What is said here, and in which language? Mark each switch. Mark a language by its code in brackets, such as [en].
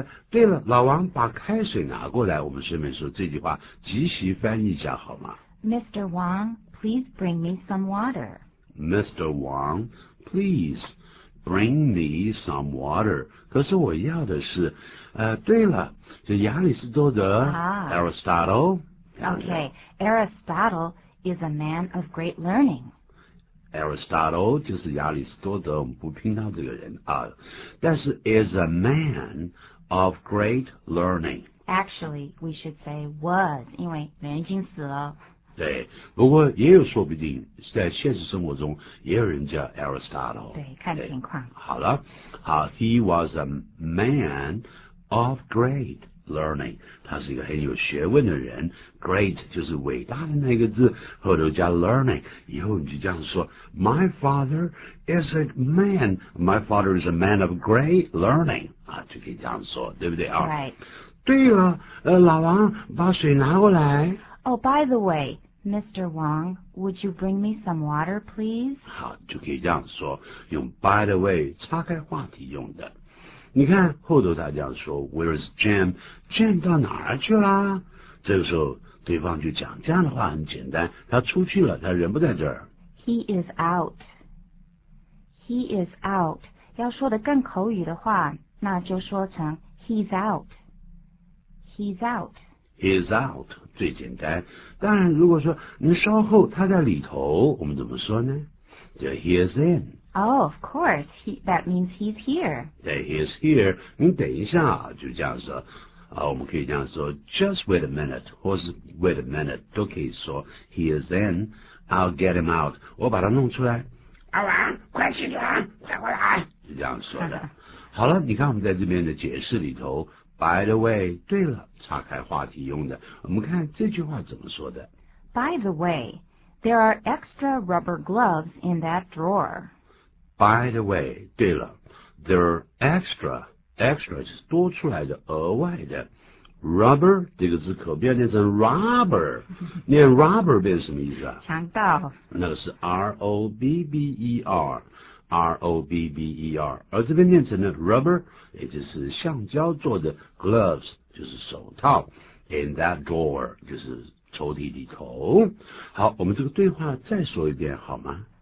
[zh] 对了，老王把开水拿过来。我们顺便说这句话，即席翻译一下好吗 [en] ？Mr. Wang， please bring me some water。 Mr. Wang， please bring me some water。 [zh] 可是我要的是，对了，这亚里士多德 ，Aristotle。 [en] Okay, Aristotle is a man of great learning. [zh] Aristotle 就是亚里士多德，我们不拼到这个人啊。但是 [en] is a man of great learning. Actually, we should say was, [zh] 因为人已经死了。对，不过也有说不定，在现实生活中也有人叫 Aristotle。对，看情况。好了，好 [en] ，He was a man of great. [zh] Learning， 他是一个很有学问的人。Great 就是伟大的那个字，后头加 learning， 以后你就这样说 ： [en] My father is a man. My father is a man of great learning. [zh] 啊，就可以这样说，对不对啊 [en] ？Right。 [zh] 对了，老王，把水拿过来。 [en] Oh, by the way, Mr. Wang, would you bring me some water, please? [zh] 好，就可以这样说，用 by the way 岔开话题用的。你看后头他这样说 ， [en] Where is Jim? [zh] Jim 到哪儿去啦？这个时候对方就讲这样的话很简单，他出去了，他人不在这儿。 [en] He is out. He is out. [zh] 要说的更口语的话，那就说成 [en] He's out. He's out. He's out [zh] 最简单。当然，如果说你稍后他在里头，我们怎么说呢？叫 [en] He is in. Oh, of course. That means he's here. Yeah, he is here. [zh] 你等一下，就这样说。啊，我们可以这样说 [en] ，just wait a minute， [zh] 或是 [en] wait a minute， [zh] 都可以说 [en] he is in. I'll get him out. [zh] 我把他弄出来。阿王，快起床，快过来，是这样说的。好了，你看我们在这边的解释里头 ， [en] by the way， [zh] 对了，岔开话题用的。我们看这句话怎么说的 [en] ？By the way, there are extra rubber gloves in that drawer. By the way, [zh] 对了 [en] there are extra [zh] 是多出来的额外的 rubber 这个字可不要念成 robber 念 robber 变什么意思啊强盗那个是 R-O-B-B-E-R R-O-B-B-E-R 而这边念成的 rubber 也就是橡胶做的 gloves 就是手套 [en] in that drawer [zh] 就是抽屉里头好我们这个对话再说一遍好吗